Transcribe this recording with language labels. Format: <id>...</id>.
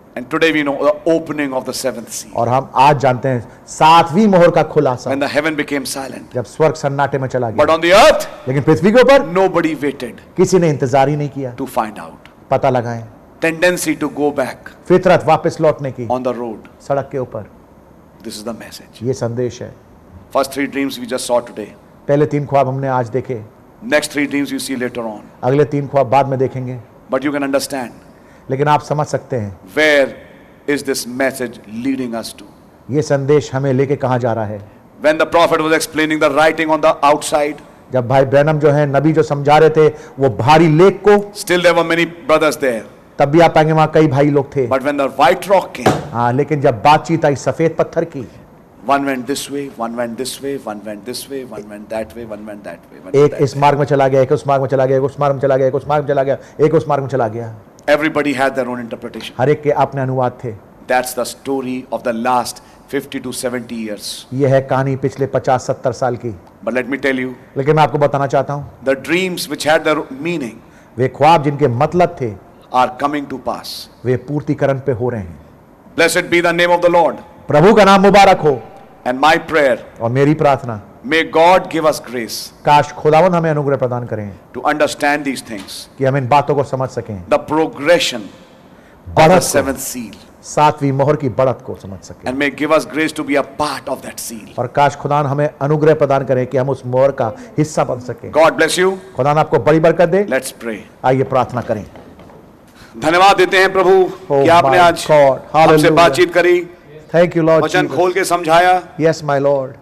<en>And today we know the opening of the seventh seal.</en> <hi>और हम आज जानते हैं सातवीं मोहर का खुलासा।</hi> <en>When the heaven became silent.</en> <hi>जब स्वर्ग सन्नाटे में चला गया।</hi> <en>But on the earth.</en> <hi>लेकिन पृथ्वी के ऊपर।</hi> <en>Nobody waited.</en> <hi>किसी ने इंतजार ही नहीं किया।</hi> <en>To find out.</en> <hi>पता लगाएं।</hi> <en>Tendency to go back.</en> <hi>फितरत वापस लौटने की।</hi> <en>On the road.</en> <hi>सड़क के ऊपर।</hi> <en>This is the message.</en> <hi>ये संदेश है।</hi> <en>First 3 dreams we just saw today.</en> <hi>पहले 3 ख्वाब हमने आज देखे।</hi> <en>Next 3 dreams you see later on.</en> <hi>अगले 3 ख्वाब बाद में देखेंगे।</hi> <en>But you can understand.</en> <hi>लेकिन आप समझ सकते हैं,</hi> <en>where is this message leading us to,</en> <hi>ये संदेश हमें लेके कहां जा रहा है।</hi> <en>when the prophet was explaining the writing on the outside,</en> <hi>जब भाई ब्रैनम जो है नबी जो समझा रहे थे वो भारी लेख को,</hi> <en>still there were many brothers there,</en> <hi>तब भी आप पाएंगे वहां कई भाई लोग थे।</hi> <en>but when the white rock came,</en> <hi>हां लेकिन जब बातचीत आई सफेद पत्थर की,</hi> <en>one went this way, one went this way, one went this way, one went that way, one went that way,</en> <hi>एक इस मार्ग में चला गया, एक उस मार्ग में चला गया, एक उस मार्ग में चला गया, एक उस मार्ग में चला गया, एक उस मार्ग में चला गया।</hi> <en>Everybody had their own interpretation.</en> <hi>हर एक के अपने अनुवाद थे।</hi> <en>That's the story of the last 50 to 70 years.</en> <hi>यह है कहानी पिछले 50-70 साल की।</hi> <en>But let me tell you.</en> <hi>लेकिन मैं आपको बताना चाहता हूँ।</hi> <en>The dreams which had their meaning.</en> <hi>वे ख्वाब जिनके मतलब थे।</hi> <en>are coming to pass.</en> <hi>वे पूर्तिकरण पे हो रहे हैं.</hi> <en>Blessed be the name of the Lord.</en> <hi>प्रभु का नाम मुबारक हो.</hi> <en>And my prayer.</en> <hi>और मेरी प्रार्थना.</hi> <en>May God give us grace.</en> <hi>काश खुदावन हमें अनुग्रह प्रदान करें.</hi> <en>To understand these things.</en> <hi>कि हम इन बातों को समझ सकें.</hi> <en>The progression.</en> <hi>बढ़त.</hi> <en>Seventh seal.</en> <hi>सातवीं मोहर की बढ़त को समझ सकें.</hi> <en>And may give us grace to be a part of that seal.</en> <hi>और काश खुदान हमें अनुग्रह प्रदान करें कि हम उस मोहर का हिस्सा बन सकें.</hi> <en>God bless you.</en> <hi>खुदान आपको बड़ी बरकत दे.</hi> <en>Let's pray.</en> <hi>आइए प्रार्थना करें. धन्यवाद देते हैं प्रभु कि आपने आज हमसे बातचीत करी.</hi> <en>Thank you Lord.</en> <hi>वचन खोल के समझाया.</hi> <en>Yes my Lord.</en>